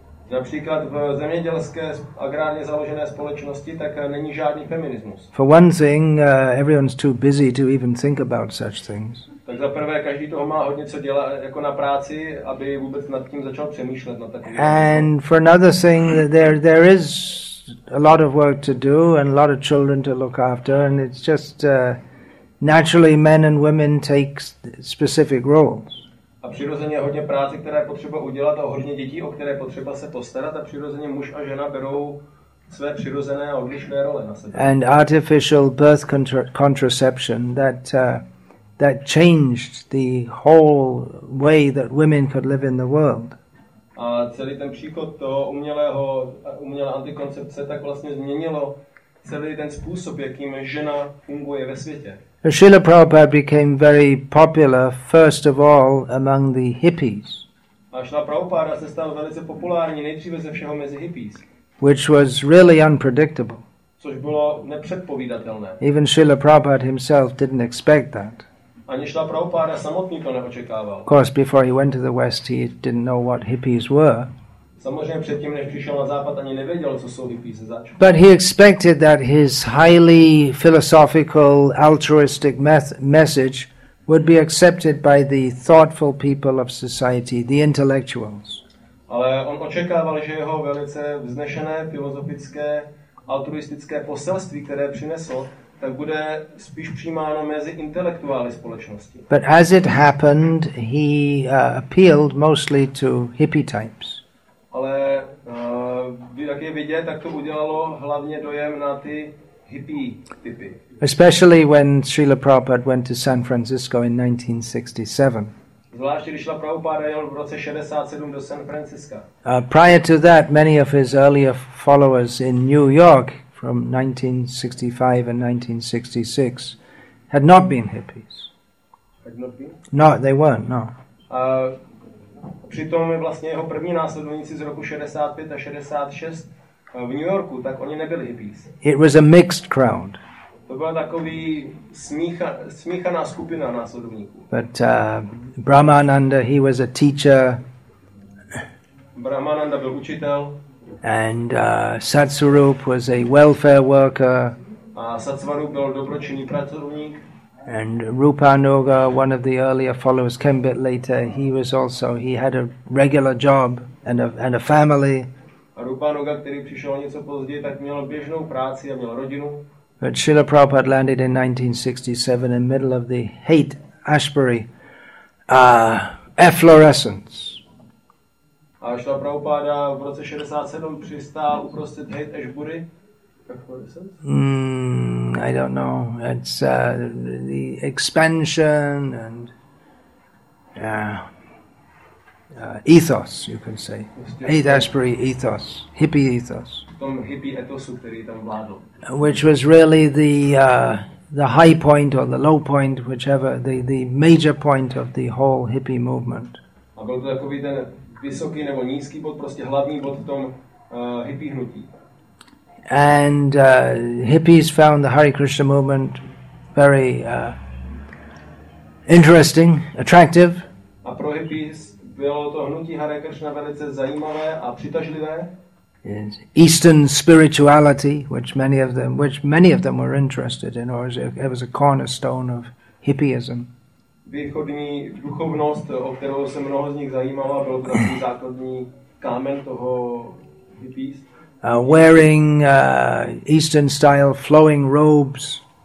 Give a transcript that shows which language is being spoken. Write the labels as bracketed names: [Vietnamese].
[Czech] Například v zemědělské agrárně založené společnosti tak není žádný feminismus. [English] For one thing, everyone's too busy to even think about such things. [Czech] Tak za prvé, každý toho má hodně co dělat jako na práci, aby vůbec nad tím začal přemýšlet na takové. [English] And for another thing, there is a lot of work to do and a lot of children to look after, and it's just naturally men and women take specific roles. [Czech] A přirozeně hodně práce, která je potřeba udělat, a hodně dětí, o které potřeba se postarat, a přirozeně muž a žena berou své přirozené a odlišné role na sebe. [English] And artificial birth contraception that changed the whole way that women could live in the world. [Czech] A celý ten příchod toho umělé antikoncepce tak vlastně změnilo celý ten způsob, jakým žena funguje ve světě. [English] Srila Prabhupada became very popular first of all among the hippies. [Czech] A Srila Prabhupada se stal velice populární nejdříve ze všeho mezi hippies. [English] Which was really unpredictable. [Czech] Což bylo nepředpovídatelné. [English] Even Srila Prabhupada himself didn't expect that. [Czech] Ani Srila Prabhupada samotný to neočekával. [English] Of course, before he went to the West, he didn't know what hippies were. [Czech] Samozřejmě předtím, než přišel na západ, ani nevěděl, co jsou hippies. [English] But he expected that his highly philosophical, altruistic message would be accepted by the thoughtful people of society, the intellectuals. [Czech] Ale on očekával, že jeho velice vznešené, filozofické, altruistické poselství, které přinesl, tak bude spíš přijímáno mezi intelektuály společnosti. [English] But as it happened, he appealed mostly to hippie types. [Czech] Ale jak je vidět, tak to udělalo hlavně dojem na ty hippie typy. [English] Especially when Srila Prabhupada went to San Francisco in 1967. [Czech] Zvláště když Srila Prabhupada jel v roce 67 do San Francisca. [English] Prior to that, many of his earlier followers in New York from 1965 and 1966 had not been hippies. Had not been? No, they weren't, no. [Czech] Přitom vlastně jeho první následovníci z roku 65 a 66 v New Yorku, tak oni nebyli hippies. [English] It was a mixed crowd. [Czech] To byla takový smíchaná skupina následovníků. [English] But Brahmananda, he was a teacher. [Czech] Brahmananda byl učitel. [English] And Satsvarup was a welfare worker. [Czech] A Satsvarup byl dobročinný pracovník. [English] And Rupanuga, one of the earlier followers, came a bit later. He had a regular job and a family. [Czech] A Rupanuga, který přišel něco později, tak měl běžnou práci a měl rodinu. [English] But Srila Prabhupada landed in 1967 in the middle of the hate Ashbury efflorescence. [Czech] A Srila Prabhupada v roce 67 přistál uprostřed hate Ashbury. [English] I don't know. It's the expansion and ethos, you can say. Hate Ashbury ethos, hippie ethos. [Czech] Tom hippie etosu, který tam vládl. [English] Which was really the high point or the low point, whichever, the major point of the whole hippie movement. [Czech] A byl to takový ten vysoký nebo nízký bod, prostě hlavní bod v tom hippie hnutí. [English] And hippies found the Hare Krishna movement very interesting, attractive. [Czech] A pro hippies bylo to hnutí Hare Krishna velice zajímavé a přitažlivé. [English] Yes. Eastern spirituality, which many of them were interested in, or it was a cornerstone of hippieism. [Czech] Východní duchovnost, o kterou se mnoho z nich zajímalo, byl pravý základní kámen toho hippies. [English] Wearing Eastern style flowing robes.